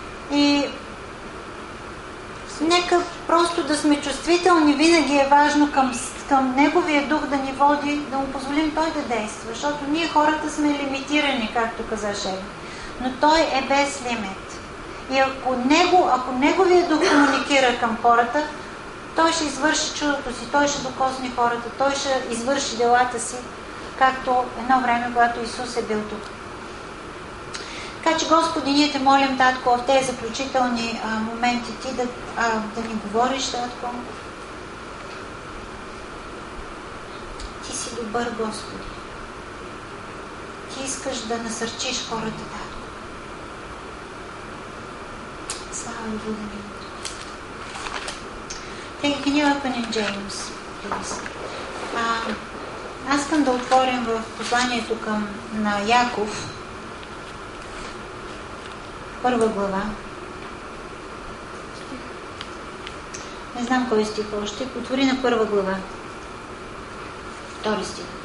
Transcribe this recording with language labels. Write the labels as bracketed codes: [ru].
[bg] И нека просто да сме чувствителни. Винаги е важно към Неговия Дух да ни води, да му позволим Той да действа. Защото ние хората сме лимитирани, както каза Шеви. Но Той е без лимит. И ако него, ако неговия дух комуникира към хората, той ще извърши чудото си, той ще докосне хората, той ще извърши делата си, както едно време, когато Исус е бил тук. Така че, Господи, ние те молим, Татко, в тези заключителни моменти ти да ни говориш, Татко. Ти си добър, Господи. Ти искаш да насърчиш хората, Татко. Слава и благодаря. [en] Hey, can you open in James, please? [bg] Аз искам да отворим в посланието към на Яков. Първа глава. Не знам кой стих още. Отвори на първа глава. Втори стих.